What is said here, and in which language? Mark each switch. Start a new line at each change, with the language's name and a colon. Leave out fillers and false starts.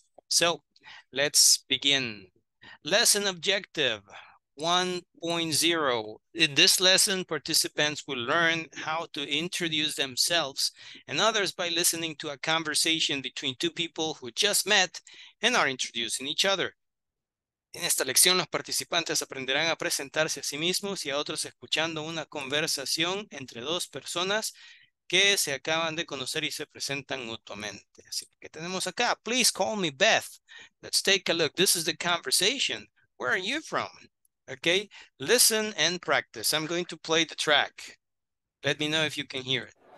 English: So, let's begin. Lesson objective 1.0. In this lesson, participants will learn how to introduce themselves and others by listening to a conversation between two people who just met and are introducing each other.
Spanish: En esta lección, los participantes aprenderán a presentarse a sí mismos y a otros escuchando una conversación entre dos personas que se acaban de conocer y se presentan mutuamente. Así que tenemos acá,
English: please call me Beth. Let's take a look. This is the conversation. Where are you from? Okay, listen and practice. I'm going to play the track. Let me know if you can hear it.